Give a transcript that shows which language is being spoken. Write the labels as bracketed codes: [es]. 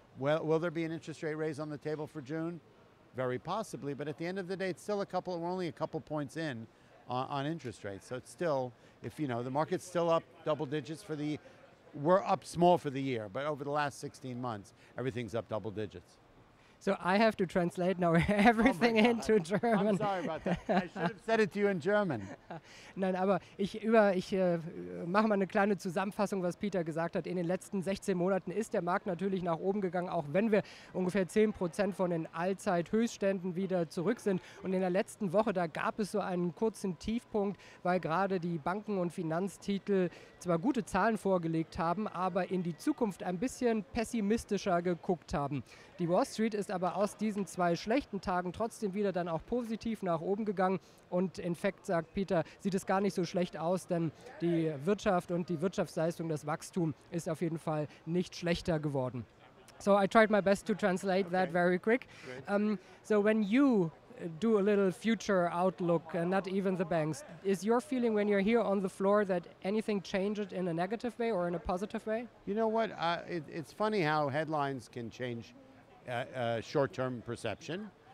[en] Well, will there be an interest rate raise on the table for June? Very possibly, but at the end of the day, it's still we're only a couple points in on interest rates. So it's still, the market's still up double digits we're up small for the year, but over the last 16 months, everything's up double digits. So I have to translate now everything into German. I'm sorry about that. I should have said it to you in German. [de] Nein, aber ich mache mal eine kleine Zusammenfassung, was Peter gesagt hat. In den letzten 16 Monaten ist der Markt natürlich nach oben gegangen, auch wenn wir ungefähr 10% von den Allzeithöchstständen wieder zurück sind. Und in der letzten Woche, da gab es so einen kurzen Tiefpunkt, weil gerade die Banken und Finanztitel zwar gute Zahlen vorgelegt haben, aber in die Zukunft ein bisschen pessimistischer geguckt haben. Die Wall Street ist aber aus diesen zwei schlechten Tagen trotzdem wieder dann auch positiv nach oben gegangen. Und in fact, sagt Peter, sieht es gar nicht so schlecht aus, denn die Wirtschaft und die Wirtschaftsleistung, das Wachstum ist auf jeden Fall nicht schlechter geworden. [en] So I tried my best to translate that very quick. So when you do a little future outlook, not even the banks, is your feeling when you're here on the floor that anything changed in a negative way or in a positive way? You know what, it's funny how headlines can change short-term perception.